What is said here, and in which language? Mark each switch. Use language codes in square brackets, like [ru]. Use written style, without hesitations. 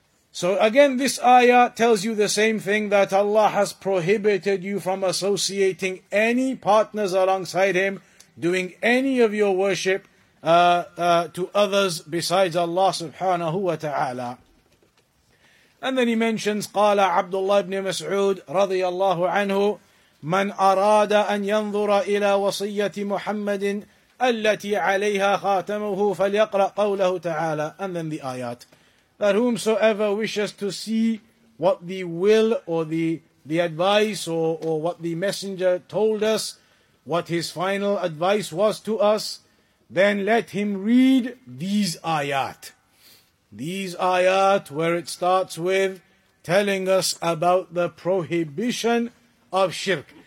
[en] So again, this ayah tells you the same thing, that Allah has prohibited you from associating any partners alongside Him, doing any of your worship to others besides Allah subhanahu wa ta'ala. And then he mentions, [ar] قال عبد الله بن مسعود رضي الله عنه من أراد أن ينظر إلى وصية محمد التي عليها خاتمه فليقرأ قوله تعالى. [en] And then the ayat. That whomsoever wishes to see what the will or the advice or what the messenger told us, what his final advice was to us, then let him read these ayat. These ayat where it starts with telling us about the prohibition of shirk.